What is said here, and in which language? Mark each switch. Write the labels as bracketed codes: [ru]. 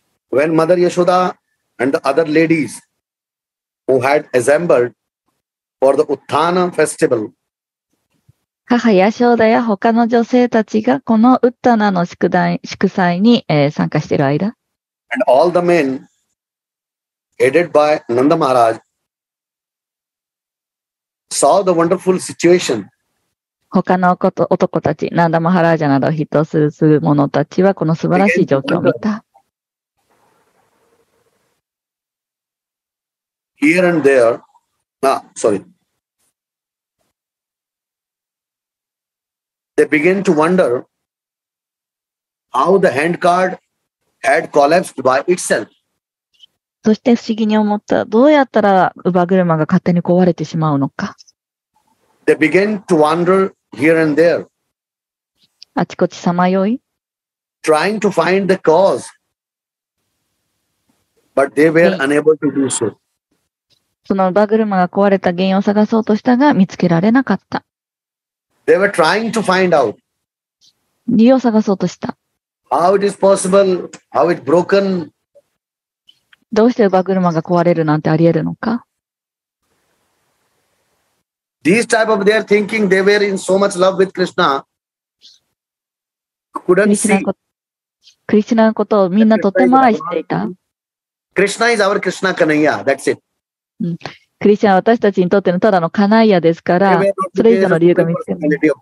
[en] When Mother Yashoda and the other ladies who had assembled for the Uthana festival, [ja] 母ヤショーダや他の女性たちがこのウッタナの祝祭に参加している間。 [en] And all the men, aided by Nanda Maharaj, saw the wonderful situation. [ja] 他の男たち、ナンダマハラージャなどを筆頭する者たちはこの素晴らしい状況を見た。 [en] Here and there, They begin to wonder how the handcart had collapsed by itself. [ja] そして不思議に思った。どうやったら馬車が勝手に壊れてしまうのか。 [en] They begin to wander here and there. [ja] あちこちさまよい。 [en] Trying to find the cause. But they were unable to do so. [ja] その馬車が壊れた原因を探そうとしたが見つけられなかった。 [en] They were trying to find out. [ja] 理由を探そうとした。 [en] How it is possible? How it broken? [ja] どうして馬車が壊れるなんてありえるのか。 [en] These type of their thinking, they were in so much love with Krishna. Couldn't see. [ja] クリシュナのことをみんなとても愛していた。 [en] Krishna is our Krishna Kanaya. That's it. [ja] クリシャは私たちにとってのただのカナイヤですから、それ以上の理由が見つけない。